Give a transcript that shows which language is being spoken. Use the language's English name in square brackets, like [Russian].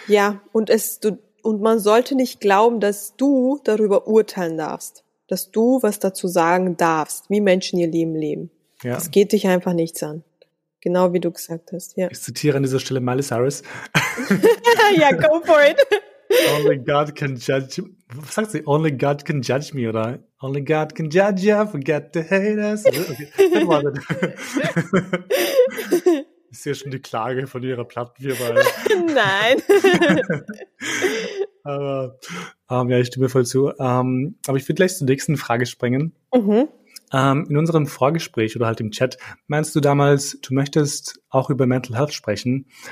[German] ja, und man sollte nicht glauben, dass du darüber urteilen darfst. Dass du was dazu sagen darfst, wie Menschen ihr Leben leben. Ja. Das geht dich einfach nichts an. Genau wie du gesagt hast. Ja. Ich zitiere an dieser Stelle Miley Cyrus. [English] Ja, go for it. Only God can judge. [German] Was sagt sie? [English] Only God can judge me, oder? Only God can judge you, forget the haters. Okay. [German] Ich sehe schon die Klage von ihrer Plattenfirma. Nein. Aber ja, ich stimme voll zu. Aber ich würde gleich zur nächsten Frage springen. In unserem Vorgespräch oder halt im Chat meinst du damals, du möchtest auch über Mental Health sprechen.